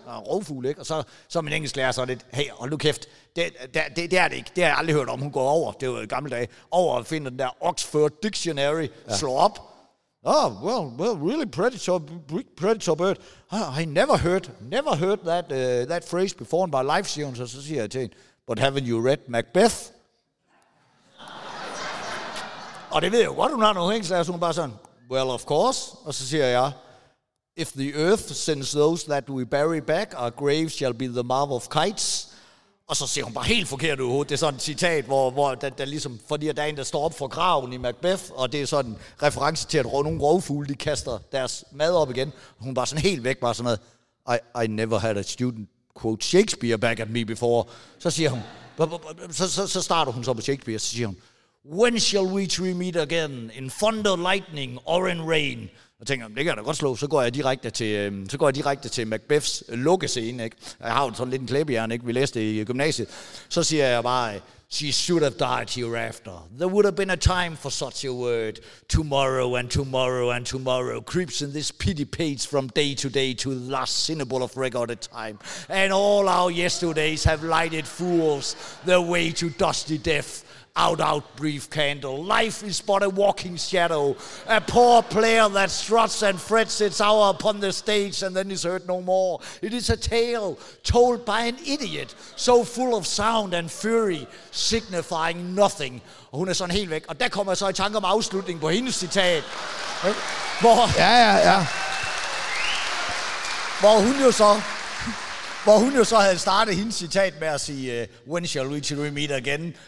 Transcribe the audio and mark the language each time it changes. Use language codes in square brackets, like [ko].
[da] Og en rovfugl, ikke? Og så, min engelsklærer sådan lidt, hey, hold nu kæft, det er det ikke. Det har jeg aldrig hørt om, hun går over, det var i gamle dage, over og finder den der Oxford Dictionary, ja. Slå op. [en] Oh, well, really predator bird. I never heard that phrase before in my life, [da] siger hun. Så siger jeg til hende, [en] but haven't you read Macbeth? [da] Og det ved jeg jo godt, hun har nogle engelsklærer, så hun bare sådan, [en] well, of course. [da] Og så siger jeg, [en] if the earth sends those that we bury back, our graves shall be the marvel of kites. [da] Og så siger hun bare helt forkert ud. Det er sådan et citat, hvor der ligesom, fordi der er en, der står op for graven i Macbeth, og det er sådan en reference til, at nogle rovfugle, de kaster deres mad op igen. Hun bare sådan helt væk, bare sådan noget, [en] I never had a student quote Shakespeare back at me before. [da] Så siger hun, så starter hun så på Shakespeare, så siger hun, [en] when shall we three meet again? In thunder, lightning, or in rain? [da] Og tænker, det kan jeg da godt slå. Så går jeg direkte til, Macbeths lukkescene. Ikke? Jeg har jo sådan lidt en klæbejern, ikke? Vi læste det i gymnasiet. Så siger jeg bare, [en] she should have died hereafter. There would have been a time for such a word. Tomorrow and tomorrow and tomorrow creeps in this pity page from day to day to the last syllable of recorded time. And all our yesterdays have lighted fools their way to dusty death. Out, brief candle. Life is but a walking shadow. A poor player that struts and frets its hour upon the stage and then is heard no more. It is a tale told by an idiot, so full of sound and fury, signifying nothing. [da] Og hun er sådan helt væk. Og der kommer så i tanke om afslutningen på hendes citat. Ja. Hvor hun jo så havde startet hendes citat med at sige, [en] when shall we till we meet again?